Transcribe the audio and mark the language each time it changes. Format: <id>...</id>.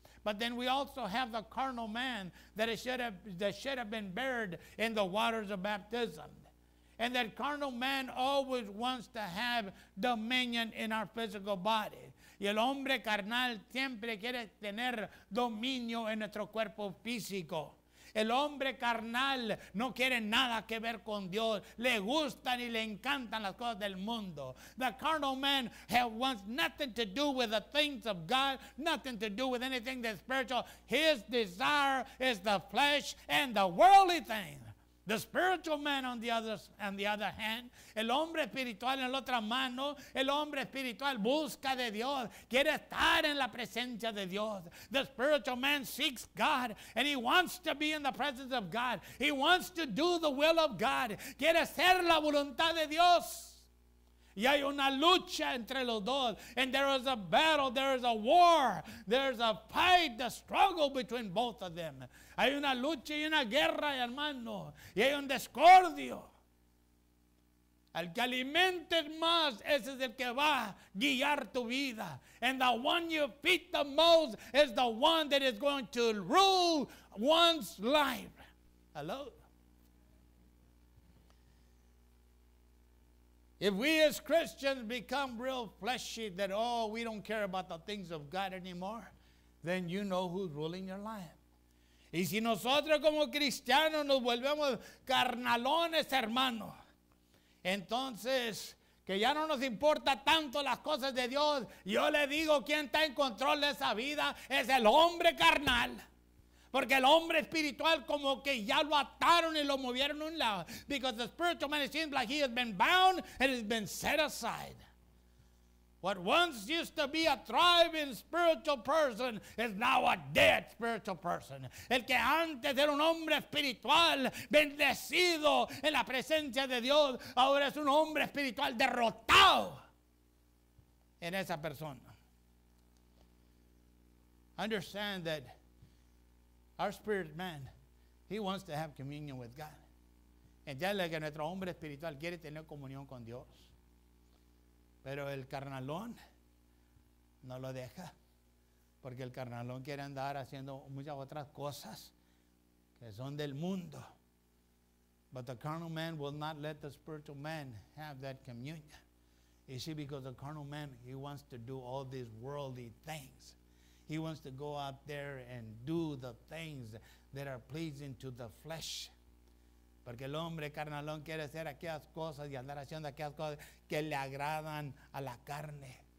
<en>But then we also have the carnal man that should have been buried in the waters of baptism. And that carnal man always wants to have dominion in our physical body.</en> <es>Y el hombre carnal siempre quiere tener dominio en nuestro cuerpo físico. El hombre carnal no quiere nada que ver con Dios. Le gustan y le encantan las cosas del mundo.</es> <en>The carnal man wants nothing to do with the things of God, nothing to do with anything that's spiritual. His desire is the flesh and the worldly things. The spiritual man on the other hand,</en> <es>el hombre espiritual en la otra mano, el hombre espiritual busca de Dios, quiere estar en la presencia de Dios.</es> <en>The spiritual man seeks God and he wants to be in the presence of God. He wants to do the will of God.</en> <es>Quiere hacer la voluntad de Dios. Y hay una lucha entre los dos.</es> <en>And there is a battle, there is a war, there is a fight, a struggle between both of them.</en> <es>Hay una lucha y una guerra, hermano. Y hay un discordio. Al que alimentes más, ese es el que va a guiar tu vida.</es> <en>And the one you feed the most is the one that is going to rule one's life. Hello? If we as Christians become real fleshy that, oh, we don't care about the things of God anymore, then you know who's ruling your life.</en> <es>Y si nosotros como cristianos nos volvemos carnalones, hermano, entonces que ya no nos importa tanto las cosas de Dios, yo le digo quién está en control de esa vida es el hombre carnal. Porque el hombre espiritual como que ya lo ataron y lo movieron a un lado.</es> <en>Because the spiritual man it seems like he has been bound and has been set aside. What once used to be a thriving spiritual person is now a dead spiritual person.</en> <es>El que antes era un hombre espiritual, bendecido en la presencia de Dios, ahora es un hombre espiritual derrotado en esa persona.</es> <en>Understand that our spirit man, he wants to have communion with God.</en> <es>Entiende que nuestro hombre espiritual quiere tener comunión con Dios. Pero el carnalón no lo deja, porque el carnalón quiere andar haciendo muchas otras cosas que son del mundo.</es> <en>But the carnal man will not let the spiritual man have that communion. You see, because the carnal man, he wants to do all these worldly things. He wants to go out there and do the things that are pleasing to the flesh.</en> <es>Porque el hombre carnalón quiere hacer aquellas cosas y andar haciendo aquellas cosas que le agradan a la carne.</es>